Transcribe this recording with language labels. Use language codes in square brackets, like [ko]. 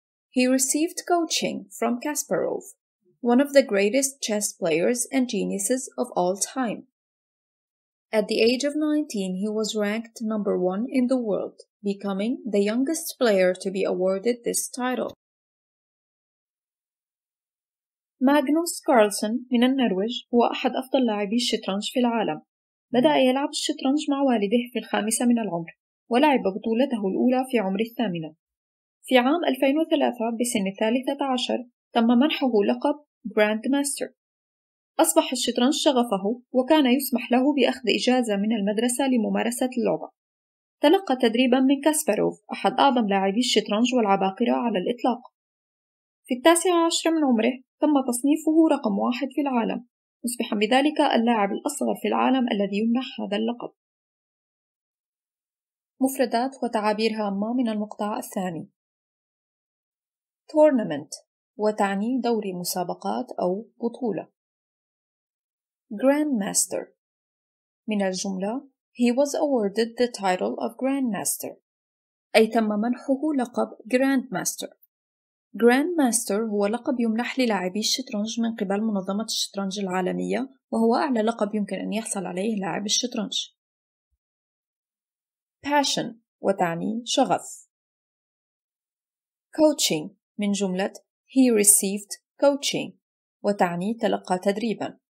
[en] He received coaching from Kasparov, one of the greatest chess players and geniuses of all time. At the age of 19, he was ranked number 1 in the world, becoming the youngest player to be awarded this title. [ar] Magnus Carlsen من النرويج هو أحد أفضل لاعبي الشطرنج في العالم. بدأ يلعب الشطرنج مع والده في 5 من العمر، ولعب بطولته الأولى في عمر 8. في عام 2003 بسن 13، تم منحه لقب جراند ماستر. أصبح الشطرنج شغفه وكان يسمح له بأخذ إجازة من المدرسة لممارسة اللعبة. تلقى تدريبا من كاسباروف، أحد أعظم لاعبي الشطرنج والعباقرة على الإطلاق. في 19 من عمره تم تصنيفه رقم 1 في العالم، أصبح بذلك اللاعب الأصغر في العالم الذي يمنح هذا اللقب. مفردات وتعابير هامة من المقطع الثاني. Tournament وتعني دوري مسابقات أو بطولة. [en] Grandmaster [ar] من الجملة [en] He was awarded the title of Grandmaster، [ar] أي تم منحه لقب [en] Grandmaster. [ar] Grandmaster هو لقب يمنح للاعبي الشطرنج من قبل منظمة الشطرنج العالمية، وهو أعلى لقب يمكن أن يحصل عليه لاعب الشطرنج. Passion وتعني شغف. Coaching من جملة [en] He received coaching [ar] وتعني تلقى تدريبا.